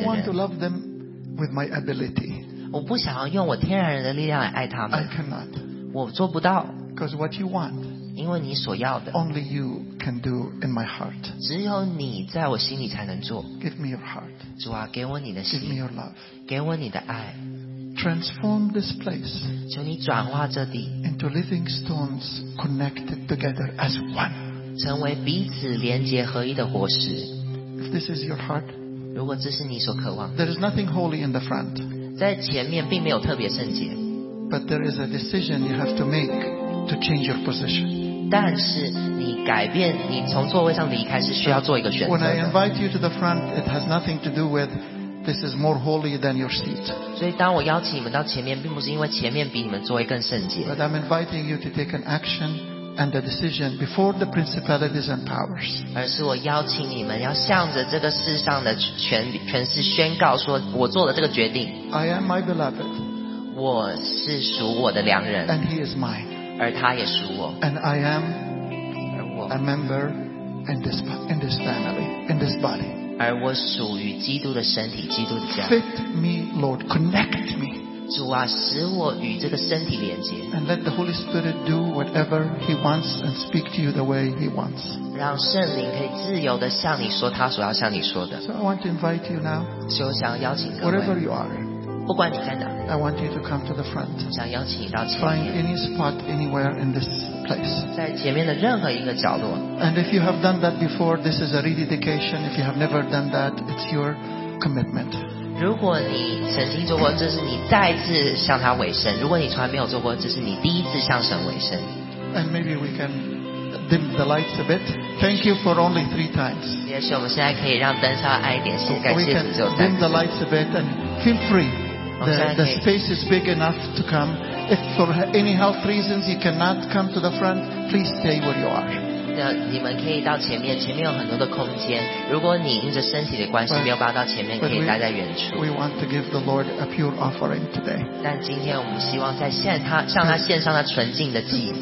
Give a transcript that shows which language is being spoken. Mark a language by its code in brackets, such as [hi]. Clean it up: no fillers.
[en] I don't want to love them with my ability. [zh] 我不想要用我天然人的力量来爱他们。 [en] I cannot. [zh] 我做不到。 [en] Because what you want, [zh] 因为你所要的 [en] only you can do in my heart. [zh] 只有你在我心里才能做。 [en] Give me your heart. [zh] 主啊，给我你的心。 [en] Give me your love. [zh] 给我你的爱。 [en] Transform this place. [zh] 求你转化这地 [en] into living stones connected together as one. [zh] 成为彼此连结合一的果实。 [en] If this is your heart, [zh] 如果这是你所渴望 [en] there is nothing holy in the front. [zh] 在前面并没有特别圣洁 [en] But there is a decision you have to make to change your position. [zh] 但是你改变，你从座位上离开是需要做一个选择的。 [en] When I invite you to the front, it has nothing to do with. This is more holy than your seat. [zh] 所以当我邀请你们到前面，并不是因为前面比你们座位更圣洁。 [en] But I'm inviting you to take an action and a decision before the principalities and powers. [zh] 而是我邀请你们要向着这个世上的权势宣告说，我做了这个决定。 [en] I am my beloved. [zh] 我是属我的良人。 [en] And he is mine. [zh] 而他也属我。 [en] And I am a member in this family, in this body. [zh] 而我属于基督的身体，基督的家。 [en] Fit me, Lord, connect me. [zh] 主啊，使我与这个身体连接。 [en] And let the Holy Spirit do whatever He wants and speak to you the way He wants. [zh] 让圣灵可以自由地向你说他所要向你说的。 [en] So I want to invite you now. [zh] 所以我想邀请各位。 [en] Wherever you are, [zh] 不管你在哪。 [en] I want you to come to the front. [zh] 想邀请你到前面。 [en] Find any spot anywhere in this. [zh] 在前面的任何一个角落。 [en] And if you have done that before, this is a rededication. If you have never done that, it's your commitment. [zh] 如果你曾经做过，这是你再次向他委身；如果你从来没有做过，这是你第一次向神委身。 [en] And maybe we can dim the lights a bit. Thank you for only three times. [zh] 也许我们现在可以让灯稍微暗一点，谢谢，感谢主只有三 [en] 次。Dim the lights a bit and feel free. The space is big enough to come. If for any health reasons you cannot come to the front, please stay where you are. [zh] 那你们可以到前面，前面有很多的空间。如果你因着身体的关系没有办法到前面，可以待在远处。 [en] We want to give the Lord a pure offering today. [zh] 但今天我们希望在献他向他献上那纯净的祭。